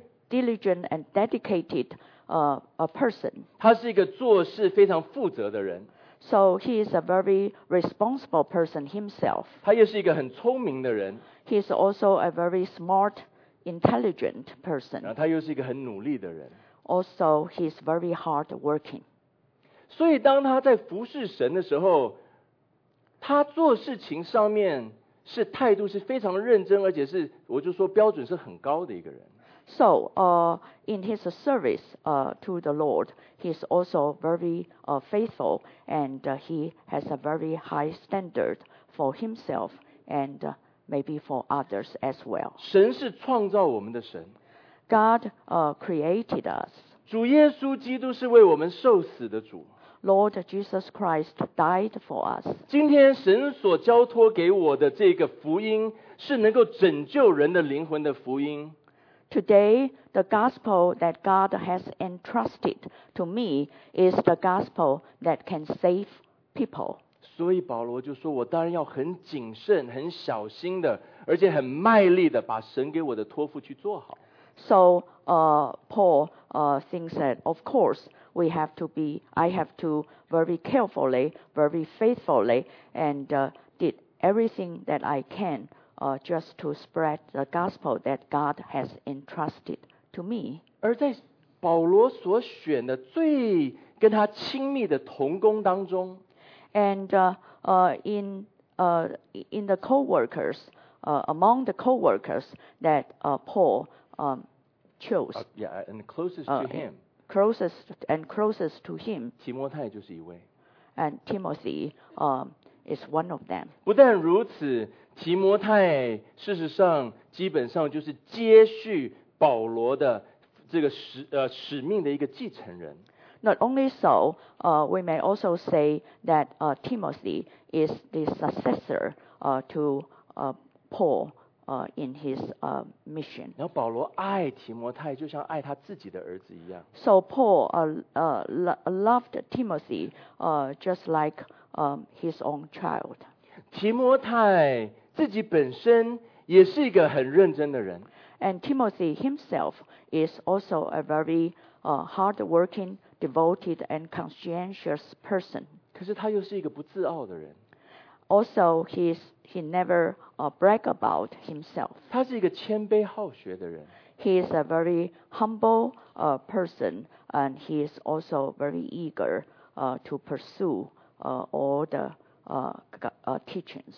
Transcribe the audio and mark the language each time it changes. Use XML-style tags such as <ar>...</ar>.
<en>diligent and dedicated a person.</en> <zh>他是一个做事非常负责的人。</zh> <en>So he is a very responsible person himself.</en> <zh>他也是一个很聪明的人。</zh> <en>He is also a very smart, intelligent person.</en> <zh>然后他又是一个很努力的人。</zh> <en>Also, he is very hard working.</en> <zh>所以当他在服侍神的时候，他做事情上面是态度是非常认真，而且是我就说标准是很高的一个人。</zh> <en>So, in his service, to the Lord, he's also very, faithful, and he has a very high standard for himself and maybe for others as well.</en> <zh>神是创造我们的神。</zh> <en>God, created us.</en> <zh>主耶稣基督是为我们受死的主。</zh> <en>Lord Jesus Christ died for us.</en> <zh>今天神所交托给我的这个福音是能够拯救人的灵魂的福音。</zh> <en>Today, the gospel that God has entrusted to me is the gospel that can save people.</en> <zh>所以保罗就说，我当然要很谨慎，很小心的，而且很卖力的把神给我的托付去做好。</zh> <en>So, Paul, thinks that, of course, we have to be, I have to very carefully, very faithfully, and, did everything that I can. Just to spread the gospel that God has entrusted to me.</en> <zh>而在保罗所选的最跟他亲密的同工当中，</zh> <en>and in the co-workers, among the co-workers that Paul chose, and closest to him, closest to him,</en> <zh>提摩太就是一位，</zh> <en>and Timothy, is one of them.</en> <zh>不但如此，提摩太事实上基本上就是接续保罗的这个 使命的一个继承人。</zh> <en>Not only so, we may also say that Timothy is the successor to Paul in his mission.</en> <zh>然后保罗爱提摩太就像爱他自己的儿子一样。</zh> <en>So Paul loved Timothy just like his own child.</en> <zh>提摩太自己本身也是一个很认真的人。</zh> <en>And Timothy himself is also a very hardworking, devoted, and conscientious person.</en> <zh>可是他又是一个不自傲的人。</zh> <en>Also, he never brag about himself.</en> <zh>他是一个谦卑好学的人。</zh> <en>He is a very humble person, and he is also very eager to pursue all the teachings.</en>